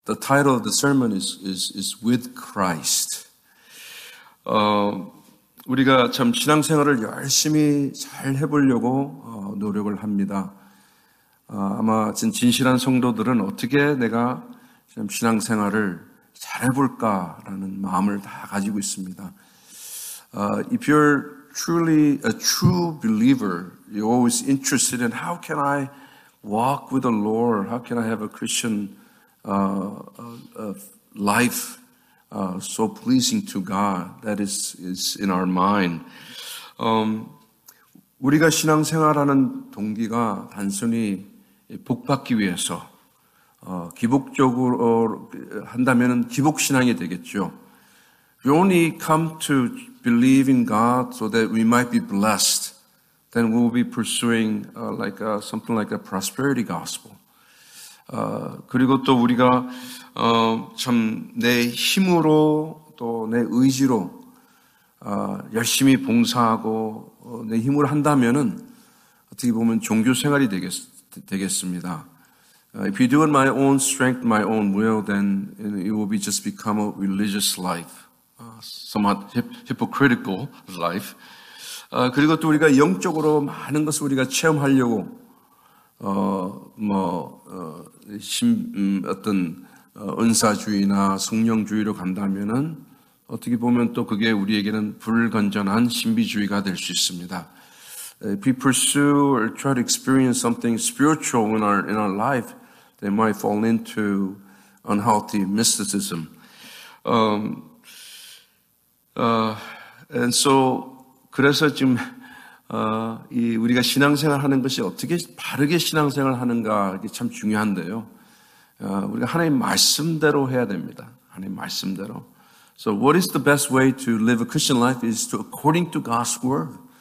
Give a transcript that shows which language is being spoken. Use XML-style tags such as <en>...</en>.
<en>The title of the sermon is With Christ.</en> <ko>우리가 참 신앙생활을 열심히 잘 해보려고 노력을 합니다. 아마 진실한 성도들은 어떻게 내가 참 신앙생활을 잘 해볼까라는 마음을 다 가지고 있습니다.</ko> <en>If you're truly a true believer, you're always interested in how can I walk with the Lord? How can I have a Christian life so pleasing to God? That is in our mind.</en> <ko>우리가 신앙생활하는 동기가 단순히 복받기 위해서 기복적으로 한다면은 기복신앙이 되겠죠.</ko> <en>We only come to believe in God so that we might be blessed. Then we'll be pursuing something like a prosperity gospel.</en> <ko>그리고 또 우리가 참 내 힘으로 또 내 의지로 열심히 봉사하고 내 힘으로 한다면은 어떻게 보면 종교 생활이 되겠습니다.</ko> <en>If you do it my own strength, my own will, then it will be just become a religious life, somewhat hypocritical life.</en> <ko>그리고 또 우리가 영적으로 많은 것을 우리가 체험하려고 어떤 은사주의나 성령주의로 간다면은 어떻게 보면 또 그게 우리에게는 불건전한 신비주의가 될 수 있습니다.</ko> <en>If we pursue or try to experience something spiritual in our life, they might fall into unhealthy mysticism. And so,</en> <ko>그래서 지금 이 우리가 신앙생활 하는 것이 어떻게 바르게 신앙생활 하는가 이게 참 중요한데요. 우리가 하나님 말씀대로 해야 됩니다. 하나님 말씀대로.</ko> <en>So what is the best way to live a Christian life is to according to God's word.</en>